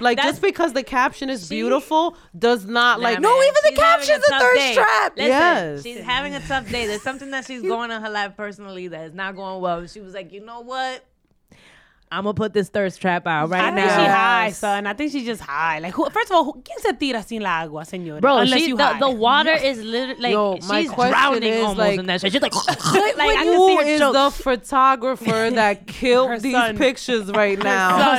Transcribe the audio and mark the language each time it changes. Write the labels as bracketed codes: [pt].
[en] Like, just because the caption is beautiful does not like. Nah, no, even the caption's a thirst trap. Listen, yes. She's having a tough day. There's something that she's going on her life personally that is not going well. She was like, you know what? I'm gonna put this thirst trap out right now. I think she's high, son. I think she's just high. Like, first of all, [es] ¿quién se tira sin la agua, señora? [en] Bro, the water is literally like, she's drowning almost in that shit. She's like, I can see her choke. Who is the photographer that killed these pictures right now?